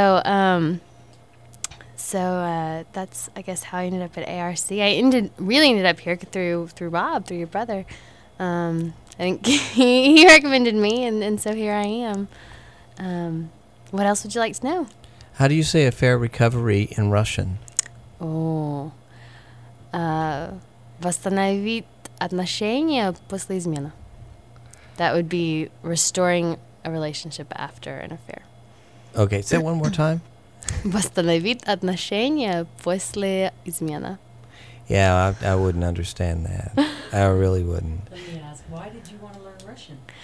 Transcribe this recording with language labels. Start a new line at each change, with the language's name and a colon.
English: So that's, I guess, how I ended up at ARC. I really ended up here through Bob, through your brother. I think he recommended me, and so here I am. What else would you like to know? How do you say a fair recovery in Russian?
Russian: Oh, восстановить отношения после измены.
English: That would be restoring a relationship after an affair. Okay, say it one more time.
Russian: Восстановить отношения после измены.
English: Yeah, I wouldn't understand that. I really wouldn't. Let me ask, why did you want to learn Russian?